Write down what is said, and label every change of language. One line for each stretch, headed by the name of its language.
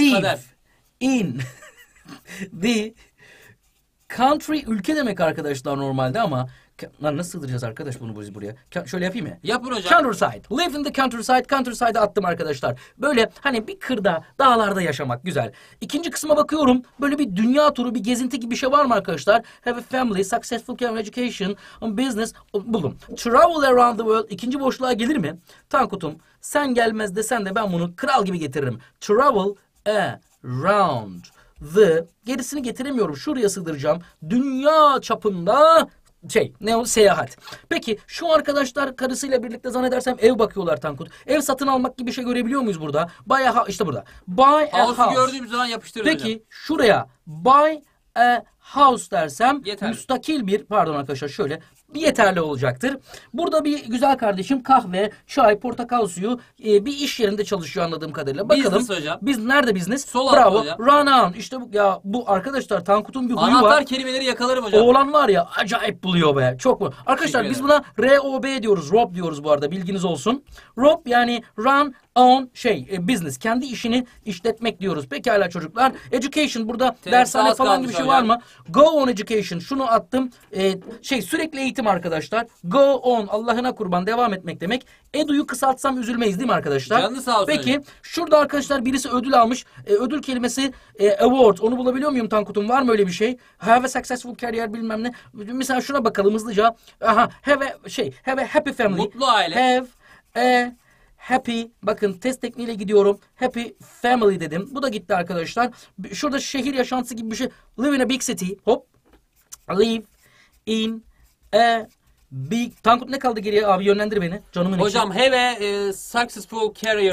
English: Live in the country,
Turkish: ülke demek arkadaşlar normalde ama... Lan nasıl sığdıracağız arkadaş bunu biz buraya? Şöyle yapayım mı? Yapın hocam.
English: Countryside. Live in the countryside.
Turkish: Countryside'e attım arkadaşlar. Böyle hani bir kırda, dağlarda yaşamak güzel. İkinci kısma bakıyorum. Böyle bir dünya turu, bir gezinti gibi bir şey var mı arkadaşlar?
English: Have a family, successful career, education, business. Buldum. Travel around the world.
Turkish: İkinci boşluğa gelir mi? Tankut'um sen gelmez desen de ben bunu kral gibi getiririm.
English: Travel around the...
Turkish: Gerisini getiremiyorum. Şuraya sığdıracağım. Dünya çapında... Şey, ne o? Seyahat. Peki, şu arkadaşlar karısıyla birlikte zannedersem ev bakıyorlar Tankut. Ev satın almak gibi bir şey görebiliyor muyuz burada?
English: Buy a house,
Turkish: işte burada.
English: Buy a house.
Turkish: House'u gördüğüm zaman yapıştırırız. Peki, hocam. Şuraya
English: buy a house
Turkish: dersem yeterli. Müstakil bir, pardon arkadaşlar şöyle, bir yeterli olacaktır. Burada bir güzel kardeşim kahve, çay, portakal suyu bir iş yerinde çalışıyor anladığım kadarıyla. Bakalım. Business hocam. Biz nerede business? Sol bravo. Hocam.
English: Run on.
Turkish: İşte bu, ya bu arkadaşlar Tankut'un bir huyu anahtar var. Anahtar kelimeleri yakalarım hocam. Oğlan var ya acayip buluyor be. Çok mu? Arkadaşlar biz buna ROB diyoruz. Rob diyoruz bu arada. Bilginiz olsun. Rob yani run on şey business. Kendi işini işletmek diyoruz. Pekala çocuklar. Education burada dershane falan gibi bir şey var mı?
English: Go on education.
Turkish: Şunu attım. Şey sürekli eğitim arkadaşlar. Go on. Allah'ına kurban. Devam etmek demek. Edu'yu kısaltsam üzülmeyiz değil mi arkadaşlar? Canlı sağ olsun. Peki. Hocam. Şurada arkadaşlar birisi ödül almış. Ödül kelimesi award. Onu bulabiliyor muyum Tankut'um? Var mı öyle bir şey?
English: Have a successful career
Turkish: bilmem ne. Mesela şuna bakalım hızlıca.
English: Aha. Have a şey. Have a happy family.
Turkish: Mutlu aile.
English: Have a happy.
Turkish: Bakın test tekniğiyle gidiyorum. Happy family dedim. Bu da gitti arkadaşlar. Şurada şehir yaşantısı gibi bir şey.
English: Live in a big city. Hop. Live in a big...
Turkish: Tankut ne kaldı geriye abi? Yönlendir beni. Canımın içi.
English: Hocam have a successful career.